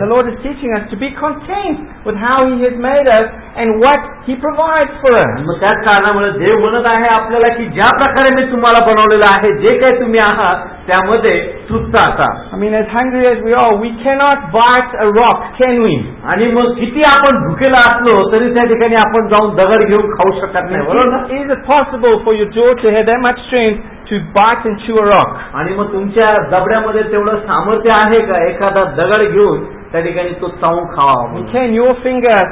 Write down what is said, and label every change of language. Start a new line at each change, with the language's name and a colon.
English: The Lord is teaching us to be content with how He has made us and what He provides for us.
Marathi: मग त्याच कारणामुळे देव म्हणत आहे आपल्याला की ज्या प्रकारे मी तुम्हाला बनवलेलं आहे जे काय तुम्ही आहात त्यामध्ये तृप्त असा.
English: I mean as hungry as we are, we cannot bite a rock, can we?
Marathi: आणि मग किती आपण भुकेला असलो तरी त्या ठिकाणी आपण जाऊन दगड घेऊन खाऊ शकत नाही, बरोबर ना?
English: Is it possible for your jaw to have that much strength to bite and chew a rock?
Marathi: आणि मग तुमच्या जबड्यामध्ये तेवढं सामर्थ्य आहे का एखादा दगड घेऊन त्या ठिकाणी तो चावून खावा?